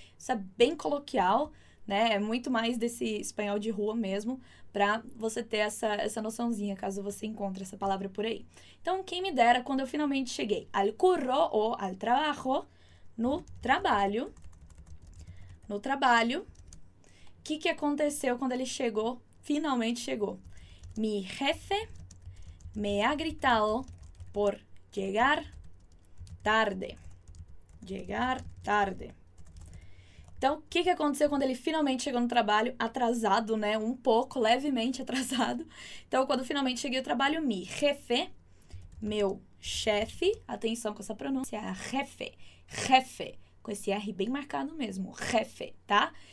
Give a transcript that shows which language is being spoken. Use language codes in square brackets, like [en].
[pt] Isso é bem coloquial, né? É muito mais desse espanhol de rua mesmo, para você ter essa noçãozinha, caso você encontre essa palavra por aí. Então, quem me dera, quando eu finalmente cheguei [es] al curro [pt] ou [es] al trabajo, [pt] no trabalho, o que aconteceu quando ele chegou, finalmente chegou? [es] Mi jefe me ha gritado por llegar tarde. Llegar tarde. [pt] Então, o que aconteceu quando ele finalmente chegou no trabalho atrasado, né? Um pouco, levemente atrasado. Então, quando finalmente cheguei ao trabalho, mi jefe, meu chefe, atenção com essa pronúncia, jefe, jefe, com esse R bem marcado mesmo, jefe, tá?